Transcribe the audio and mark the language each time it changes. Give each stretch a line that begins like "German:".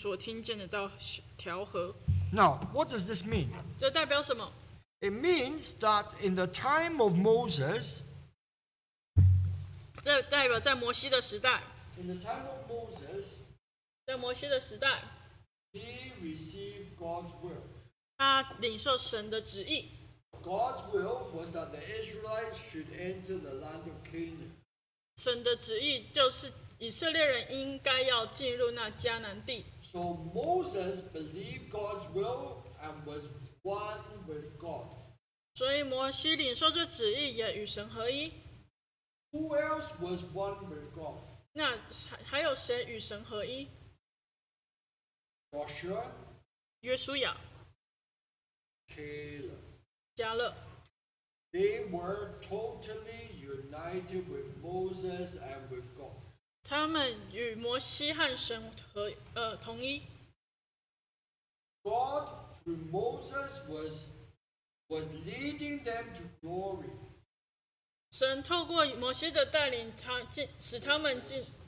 Chinese: 四章二节说,因为有福音传给我们,像传给他们一样,只是所听见的道与他们无异,因为他们没有信心与所听见的道调和。
English: Now, what does this mean?
Chinese: 这代表什么?
English: It means that in the time of Moses,
Chinese: 这代表在摩西的时代,
English: in the time of Moses,
Chinese: 在摩西的时代,
English: he received God's will.
Chinese: 他领受神的旨意。
English: God's will was that the Israelites should enter the land of Canaan.
Chinese: 神的旨意就是以色列人应该要进入那迦南地。
English: So Moses believed God's will and was one with God.
Chinese: 所以摩西领受这旨意也与神合一。
English: Who else was one with God?
Chinese: 那还有谁与神合一？
English: Joshua.
Chinese: 约书亚。
English: Caleb.
Chinese: 加勒。
English: They were totally united with Moses and with God.
Chinese: 他们与摩西和神合同一。
English: God through Moses was leading them to glory.
Chinese: 神透过摩西的带领，他进使他们进。